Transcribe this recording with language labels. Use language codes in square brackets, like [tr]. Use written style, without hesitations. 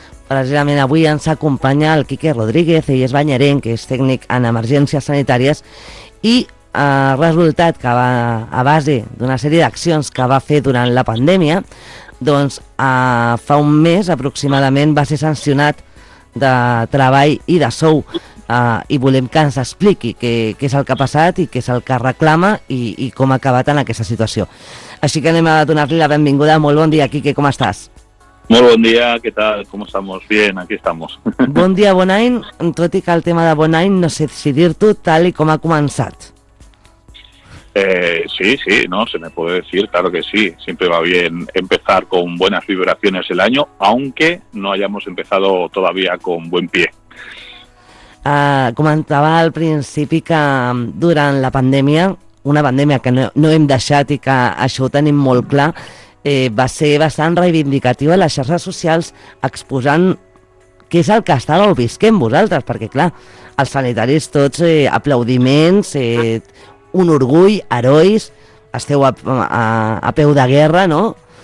[ca] Precisament avui ens acompanya el Quique Rodríguez, ell és banyarenc, que és tècnic en emergències sanitàries, i ha resultat que va a base d'una sèrie d'accions que va fer durant la pandèmia, doncs fa un mes aproximadament va ser sancionat de treball i de sou, i volem que ens expliqui què és el que ha passat i què és el que reclama i com ha acabat en aquesta situació. Així que anem a donar-li la benvinguda. Molt bon dia, Quique, com estàs? Molt bon dia, què tal? [es] ¿Cómo estamos? Bien, aquí estamos. [ca] Bon dia, bon any. Tot i que el tema de bon any, no sé si dir-t'ho tal i com ha començat. [es] Sí, no, se me puede decir, claro que sí. Siempre va bien empezar con buenas vibraciones el año, aunque no hayamos empezado todavía con buen pie. [ca] Comentava al principi que durant la pandèmia, una pandèmia que no hem deixat i que això ho tenim molt clar, va ser bastant reivindicativa a les xarxes socials exposant què és el que estàveu visquent vosaltres, perquè clar, els sanitaris tots, aplaudiments, un orgull, herois, esteu a peu de guerra, no?